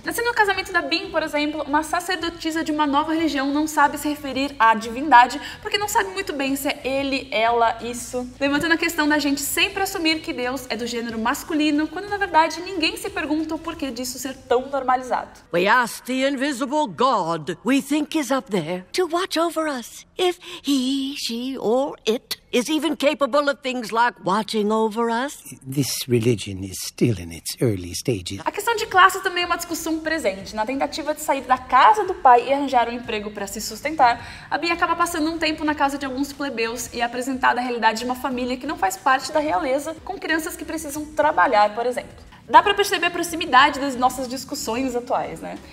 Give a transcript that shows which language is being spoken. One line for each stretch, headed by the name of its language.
Portuguese: Nascendo no casamento da Bin, por exemplo, uma sacerdotisa de uma nova religião não sabe se referir à divindade porque não sabe muito bem se é ele, ela, isso. Levantando a questão da gente sempre assumir que Deus é do gênero masculino, quando na verdade ninguém se pergunta o porquê disso ser tão normalizado.
English: We ask the invisible God we think is up there to watch over us. If he, she or it is even capable of things like watching over us. This religion is still in its early stages.
Portuguese: A questão de classe também é uma discussão presente. Na tentativa de sair da casa do pai e arranjar um emprego para se sustentar, a Bin acaba passando um tempo na casa de alguns plebeus e é apresentada a realidade de uma família que não faz parte da realeza, com crianças que precisam trabalhar, por exemplo. Dá pra perceber a proximidade das nossas discussões atuais, né?